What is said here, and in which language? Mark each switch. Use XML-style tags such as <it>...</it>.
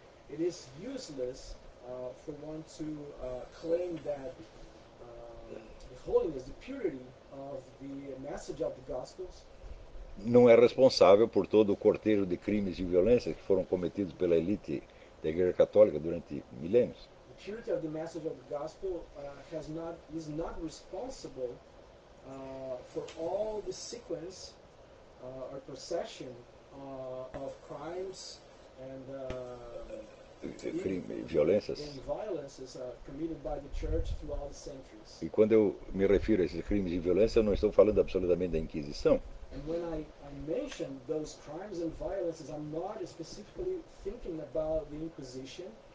<en>It is useless for one to claim that the holiness, the purity of the message of the gospels.</en> <pt>Não é responsável por todo o cortejo de crimes e violências que foram cometidos pela elite da Igreja Católica durante milênios.</pt> <en>The purity of the message of the gospel is not responsible for all the sequence or procession of crimes and</en> <pt>violências</pt> <en>committed by the church throughout the centuries.</en> <pt>E quando eu me refiro a esses crimes e violências, eu não estou falando absolutamente da Inquisição.</pt> <en>And when I mention those crimes and violences, I'm not specifically thinking about the Inquisition.</en>